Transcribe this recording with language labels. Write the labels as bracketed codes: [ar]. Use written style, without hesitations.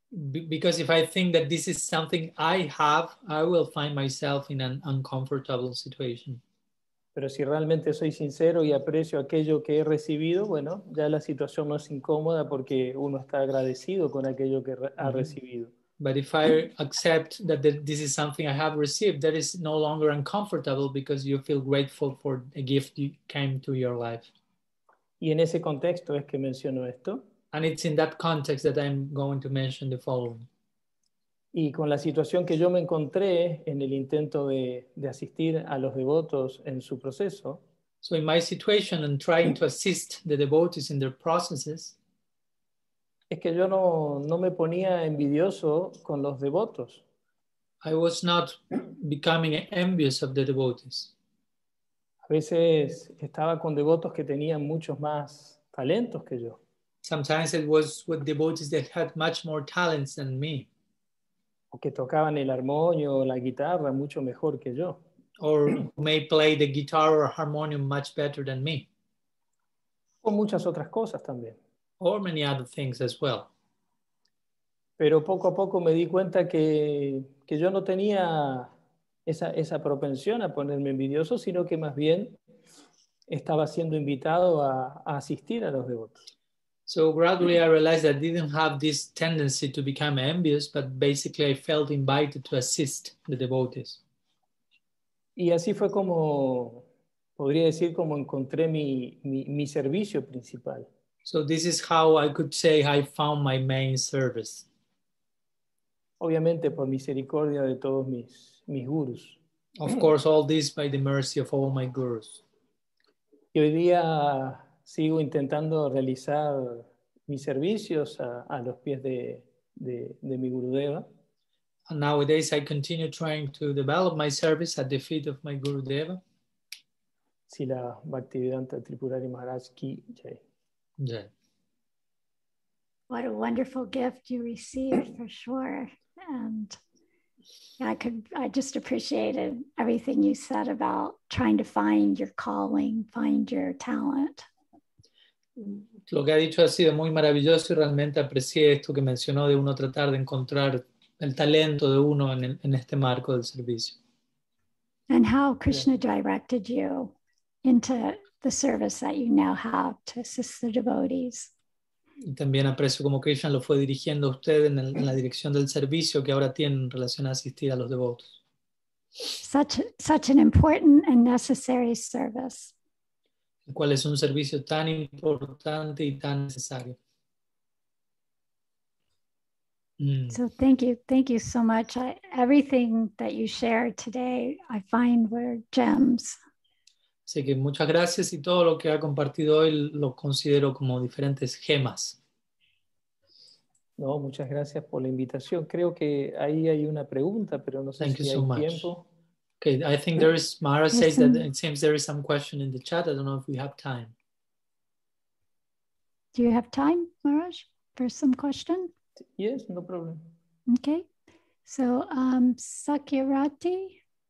[en] Because if I think that this is something I have, I will find myself in an uncomfortable situation. [es] Pero si realmente soy sincero y aprecio aquello que he recibido, bueno, ya la situación no es incómoda porque uno está agradecido con aquello que ha recibido. [en] But if I accept that this is something I have received, that is no longer uncomfortable because you feel grateful for a gift that came to your life. [es] Y en ese contexto es que menciono esto. [en] And it's in that context that I'm going to mention the following. [es] Y con la situación que yo me encontré en el intento de asistir a los devotos en su proceso. [en] So in my situation and trying to assist the devotees in their processes. [es] Es que yo no me ponía envidioso con los devotos. [en] I was not becoming envious of the devotees. [es] A veces estaba con devotos que tenían muchos más talentos que yo. [en] Sometimes it was with devotees that had much more talents than me. [es] O que tocaban el armonio o la guitarra mucho mejor que yo. [en] Or may play the guitar or harmonium much better than me. [es] O muchas otras cosas también. [en] Or many other things as well. [es] Pero poco a poco me di cuenta que yo no tenía esa propensión a ponerme envidioso, sino que más bien estaba siendo invitado a asistir a los devotos. [en] So gradually I realized I didn't have this tendency to become envious, but basically I felt invited to assist the devotees. [es] Y así fue como, podría decir, como encontré mi servicio principal. [en] So this is how I could say I found my main service. [es] Obviamente por misericordia de todos mis gurus. [en] Of course, all this by the mercy of all my gurus. [es] Y hoy día sigo intentando realizar mis servicios a los pies de mi Gurudeva. [en] And nowadays I continue trying to develop my service at the feet of my Gurudeva. [hi] Sila Bhaktivedanta Tripurari Maharaj Ki Jai. Jai. [en] What a wonderful gift you received, for sure. And I just appreciated everything you said about trying to find your calling, find your talent. [es] Lo que ha dicho ha sido muy maravilloso y realmente aprecié esto que mencionó de uno tratar de encontrar el talento de uno en este marco del servicio. [en] And how Krishna directed you into the service that you now have to assist the devotees. [es] Y también aprecio cómo Krishna lo fue dirigiendo a usted en la dirección del servicio que ahora tiene en relación a asistir a los devotos. [en] Such an important and necessary service. [es] El cual es un servicio tan importante y tan necesario. [en] So thank you so much. Everything that you share today, I find were gems. [es] Así que muchas gracias y todo lo que ha compartido hoy lo considero como diferentes gemas. No, muchas gracias por la invitación. Creo que ahí hay una pregunta, pero no sé [en] thank [es] si hay [en] so [es] tiempo. [en] Much. Okay, I think there is, Mara says some... that it seems there is some question in the chat. I don't know if we have time. Do you have time, Maharaj, for some question? Yes, no problem. Okay, so Sakirati.